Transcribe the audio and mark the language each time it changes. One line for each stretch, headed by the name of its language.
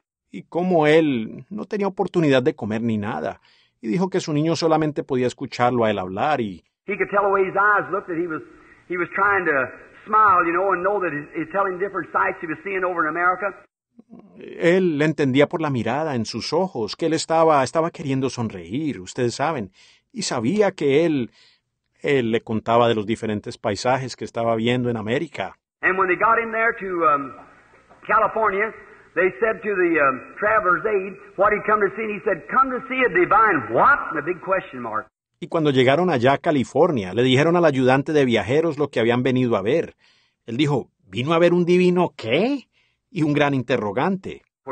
Spanish: Y cómo él no tenía oportunidad de comer ni nada. Y dijo que su niño solamente podía escucharlo a él hablar y...
English: He could tell the way his eyes looked that he was trying to smile, you know, and know that he's telling different sights he was seeing over in America.
Spanish: Él entendía por la mirada en sus ojos que él estaba queriendo sonreír, ustedes saben, y sabía que él le contaba de los diferentes paisajes que estaba viendo en América.
English: And when they got in there to California, they said to the traveler's aide what he'd come to see, and he said, "Come to see a divine what?" And a big question mark.
Spanish: Y cuando llegaron allá a California, le dijeron al ayudante de viajeros lo que habían venido a ver. Él dijo, ¿vino a ver un divino qué? Y un gran interrogante.